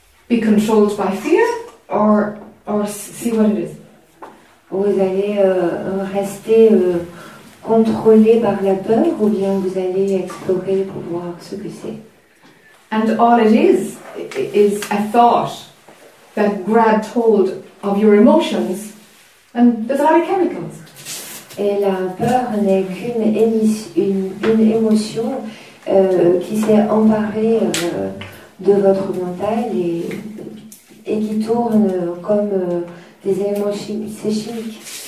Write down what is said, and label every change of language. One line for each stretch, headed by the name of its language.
English: Be controlled by fear or see what it is.
French: Vous allez rester contrôlé par la peur ou bien vous allez explorer pour voir ce que c'est.
English: And all it is a thought that grabbed hold of your emotions and there's a lot of chemicals.
French: Et la peur n'est qu'une une émotion qui s'est emparée de votre mental et qui tourne comme des éléments chimiques. C'est chimique.